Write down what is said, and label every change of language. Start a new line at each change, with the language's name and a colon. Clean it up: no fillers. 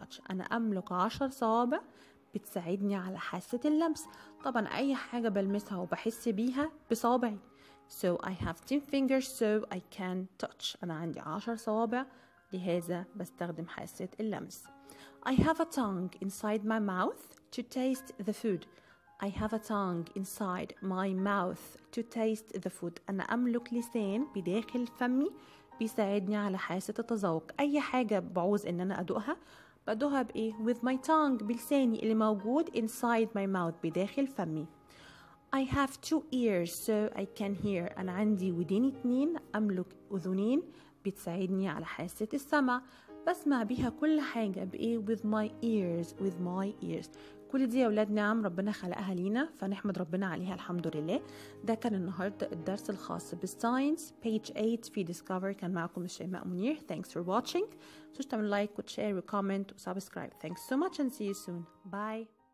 Arabic: أنا أملك 10 صوابع بتساعدني على حاسة اللمس. طبعا أي حاجة بلمسها وبحس بيها بصوابعي.
English: So I have 10 fingers so I can touch.
Arabic: أنا عندي 10 صوابع لهذا بستخدم حاسة اللمس.
English: I have a tongue inside my mouth to taste the food. I have a tongue inside my mouth to taste the food.
Arabic: أنا أملك لسان بداخل فمي بيساعدني على حاسة التذوق. أي حاجة بعوز إن أنا أدوقها بدوها بإيه؟ with my tongue, بلساني اللي موجود inside my mouth, بداخل فمي.
English: I have two ears so I can hear.
Arabic: أنا عندي ودين اتنين, أملك أذنين بتساعدني على حاسة السمع, بسمع بيها كل حاجة بإيه؟ with my ears. كل دي يا أولاد نعم ربنا خلقها لينا فنحمد ربنا عليها الحمد لله. ده كان النهاردة الدرس الخاص بالساينس page 8 في ديسكفر. كان معكم شيماء منير.
English: Thanks for watching. تعملوا like وتشير وكومنت وسبسكرايب. Thanks so much and see you soon. Bye.